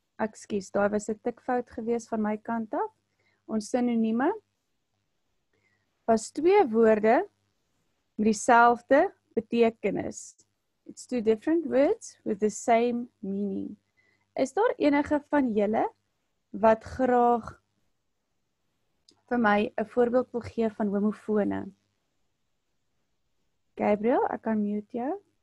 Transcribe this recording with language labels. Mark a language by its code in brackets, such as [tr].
[af] Ekskuus, daai was 'n tikfout gewees van my kant af. Ons sinonieme was twee woorde met dieselfde betekenis. [en] It's two different words with the same meaning. [af] Is daar enige van julle wat graag vir my 'n voorbeeld wil gee van homofone? Gabriel, ek kan mute jou.